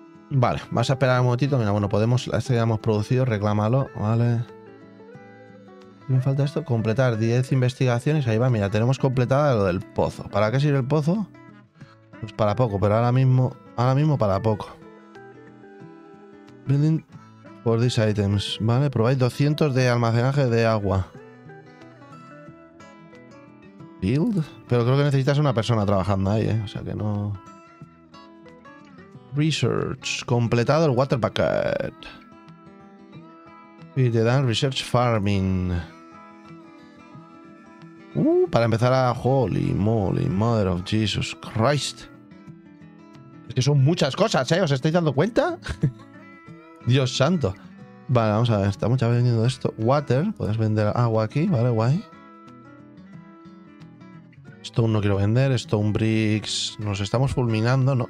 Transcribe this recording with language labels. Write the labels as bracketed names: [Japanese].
[Spanish] Vale, vas a esperar un momentito. Mira, bueno, podemos... Este ya hemos producido, reclámalo, vale. Me falta esto, completar 10 investigaciones. Ahí va, mira, tenemos completada lo del pozo. ¿Para qué sirve el pozo? Pues para poco, pero ahora mismo para poco. [English] Building for these items, vale. [Spanish] Probáis 200 de almacenaje de agua. Build. Pero creo que necesitas una persona trabajando ahí, ¿eh? O sea que no... Research. Completado el water bucket. Y te dan research farming. Para empezar a... [English] Holy moly, mother of Jesus Christ. [Spanish] Es que son muchas cosas, ¿eh? ¿Os estáis dando cuenta? Dios santo. Vale, vamos a ver. Estamos ya vendiendo esto. Water. Puedes vender agua aquí, ¿vale? Guay. Stone no quiero vender. Stone bricks. Nos estamos fulminando, ¿no?